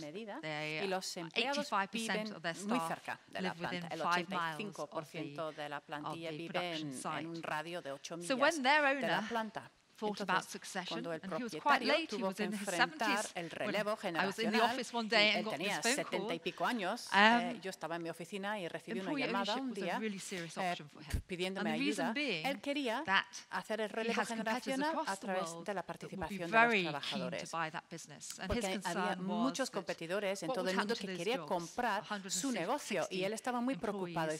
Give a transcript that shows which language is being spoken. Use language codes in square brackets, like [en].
[es] Y los empleados viven muy cerca de la planta. El 85% de la plantilla vive en un radio de 8 millas de la planta. [en] Thought about succession, and he was quite late. He was in his 70s. [es] El relevo generacional. [en] I was in the office one day and got this phone call. [es] Tenía 70 y pico años. Yo estaba en mi oficina y recibí una llamada un día, pidiéndome ayuda. Él quería hacer el relevo generacional a través de la participación de los trabajadores, porque había muchos competidores en todo el mundo que quería comprar su negocio, y él estaba muy preocupado.